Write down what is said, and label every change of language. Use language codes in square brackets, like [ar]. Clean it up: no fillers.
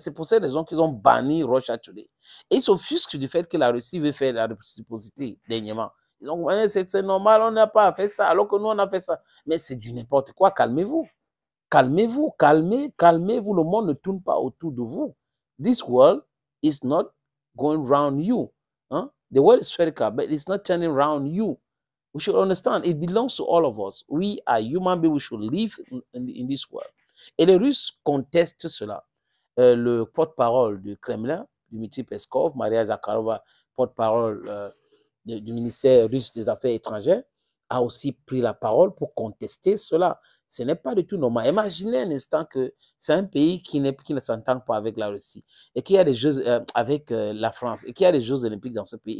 [fr] C'est pour cette raison qu'ils ont banni Russia Today. Et ils s'offusquent du fait que la Russie veut faire la réciprocité dernièrement. Ils ont dit, c'est normal, on n'a pas fait ça, alors que nous, on a fait ça. Mais c'est du n'importe quoi, calmez-vous. Calmez-vous, calmez-vous, le monde ne tourne pas autour de vous. [en] This world is not going round you. [fr] Hein? [en] The world is spherical, but it's not turning round you. We should understand, it belongs to all of us. We are human beings, we should live in this world. [fr] Et les Russes contestent cela. Le porte-parole du Kremlin, Dmitry Peskov, Maria Zakharova, porte-parole du ministère russe des Affaires étrangères, a aussi pris la parole pour contester cela. Ce n'est pas du tout normal. Imaginez un instant que c'est un pays qui ne s'entend pas avec la Russie et qu'il y a des Jeux avec la France et qu'il y a des Jeux Olympiques dans ce pays.